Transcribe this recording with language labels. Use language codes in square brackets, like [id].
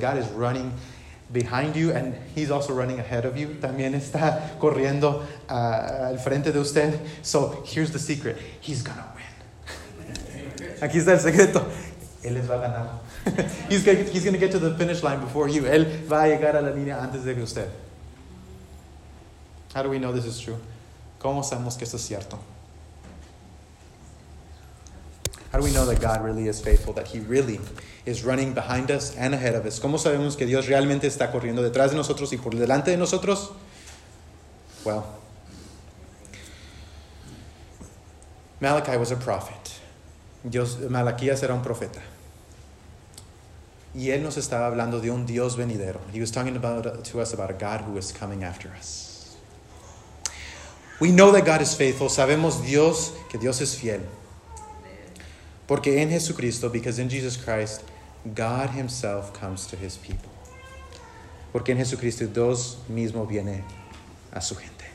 [en] God is running behind you and he's also running ahead of you. [es] También está corriendo al frente de usted. [en] So here's the secret. He's gonna win. [es] Aquí está el secreto. Él les va a ganar. [en] He's gonna get to the finish line before you. [es] Él va a llegar a la línea antes de que usted. [en] How do we know this is true? [es] ¿Cómo sabemos que esto es cierto? [en] How do we know that God really is faithful, that he really is running behind us and ahead of us? [es] ¿Cómo sabemos que Dios realmente está corriendo detrás de nosotros y por delante de nosotros? [en] Well, Malachi was a prophet. [es] Malaquías era un profeta. Y él nos estaba hablando de un Dios venidero. [en] He was talking to us about a God who is coming after us. We know that God is faithful. [es] Sabemos Dios, que Dios es fiel. Porque en Jesucristo, [en] because in Jesus Christ, God himself comes to his people. [es] Porque en Jesucristo, Dios mismo viene a su gente.